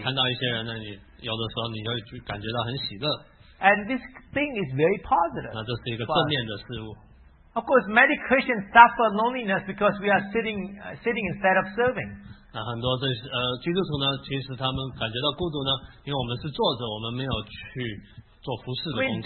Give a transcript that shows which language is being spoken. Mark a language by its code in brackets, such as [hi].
[zh] 看到一些人呢, 有的时候你就感觉到很喜乐。 [en] And this thing is very positive. [zh] 那这是一个正面的事物。 [en] Of course, many Christians suffer loneliness because we are sitting instead of serving. [zh] 那很多这些基督徒呢, 其实他们感觉到孤独呢, 因为我们是坐着, 我们没有去做服侍的工作。